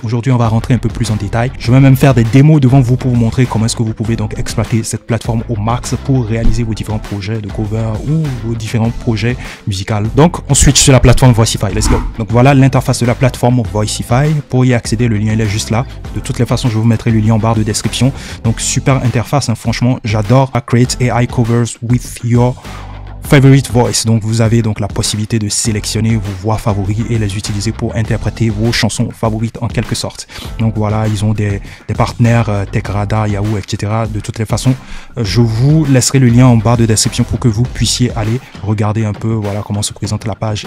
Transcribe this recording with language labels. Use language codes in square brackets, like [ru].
[fr] Aujourd'hui on va rentrer un peu plus en détail. Je vais même faire des démos devant vous pour vous montrer comment est-ce que vous pouvez donc exploiter cette plateforme au max pour réaliser vos différents projets de cover ou vos différents projets musicaux. Donc on switch sur la plateforme Voicify. [en] Let's go. [fr] Donc voilà l'interface de la plateforme Voicify. Pour y accéder, le lien il est juste là. De toutes les façons, je vous mettrai le lien en barre de description. Donc super interface, hein. Franchement, j'adore. [en] Create AI covers with your favorite voice. [fr] Donc vous avez donc la possibilité de sélectionner vos voix favoris et les utiliser pour interpréter vos chansons favorites en quelque sorte. Donc voilà, ils ont des partenaires TechRadar, Yahoo, etc. De toutes les façons, je vous laisserai le lien en barre de description pour que vous puissiez aller regarder un peu voilà comment se présente la page.